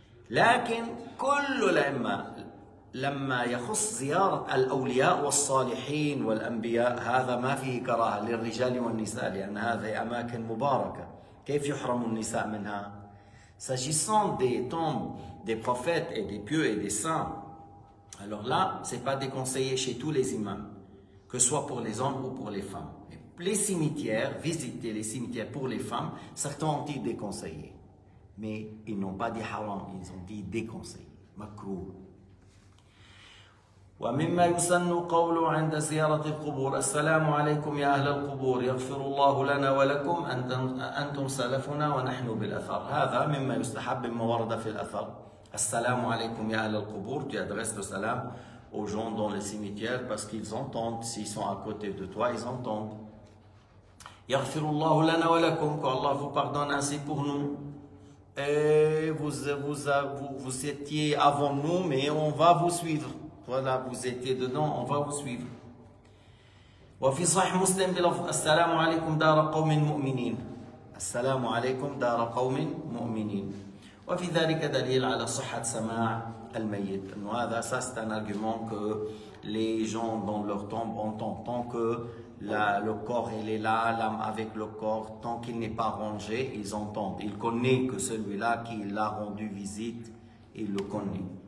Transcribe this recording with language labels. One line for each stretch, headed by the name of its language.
Arabic: لكن كل الأئمة لما يخص زيارة الأولياء والصالحين والأنبياء هذا ما فيه كراهة للرجال والنساء لأن هذه أماكن مباركة كيف يحرم النساء منها؟
French: S'agissant des tombes des prophètes et des pieux et des saints, alors là, c'est pas déconseillé chez tous les imams, que ce soit pour les hommes ou pour les femmes. Mais les cimetières, visiter les cimetières pour les femmes, certains ont dit déconseillé. Mais ils n'ont pas dit haram, ils ont dit déconseillé. Makruh.
Arabic: ومما يسن قوله عند زيارة القبور السلام عليكم يا أهل القبور يغفر الله لنا ولكم أنتم سلفنا ونحن بالأثر. هذا مما يستحب مما ورد في الأثر. السلام عليكم يا أهل القبور.
French: Tu adresses le salam aux gens dans les cimetières parce qu'ils entendent. S'ils sont à côté de toi, ils entendent.
Arabic: يغفر الله لنا ولكم.
French: Que Allah vous pardonne ainsi pour nous. Et vous étiez avant nous, mais on va vous suivre. Voilà, vous étiez dedans, on va vous suivre.
Arabic: وفي صحيح مسلم السلام عليكم دار قوم مؤمنين. السلام عليكم دار قوم مؤمنين. وفي ذلك دليل على صحة سماع الميت. إنه هذا
French: c'est un argument que les gens dans leur tombe entendent tant que le corps il est là, l'âme avec le corps, tant qu'il n'est pas rongé, ils entendent. Ils connaissent que celui-là qui l'a rendu visite, il le connaît.